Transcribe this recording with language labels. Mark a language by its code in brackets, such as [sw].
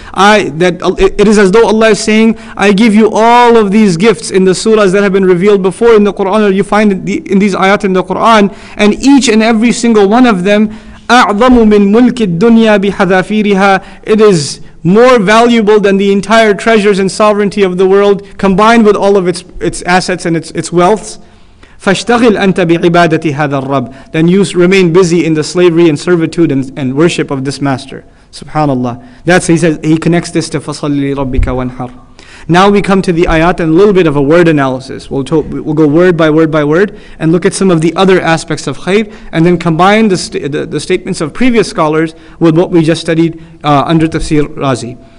[en] It is as though Allah is saying, I give you all of these gifts in the surahs that have been revealed before in the Quran, or you find in these ayat in the Quran, and each and every single one of them, [ar] أعظم من ملك الدنيا بحذافيرها. [en] It is more valuable than the entire treasures and sovereignty of the world, combined with all of its assets and its wealths. [ar] فاشتغل أنت بعبادة هذا الرب. [en] Then you remain busy in the slavery and servitude and worship of this master. Subhanallah. That's he says. He connects this to [ar] فصل لربك وانحر. [en] Now we come to the ayat and a little bit of a word analysis. We'll go word by word by word and look at some of the other aspects of khayr and then combine the statements of previous scholars with what we just studied under Tafsir Razi.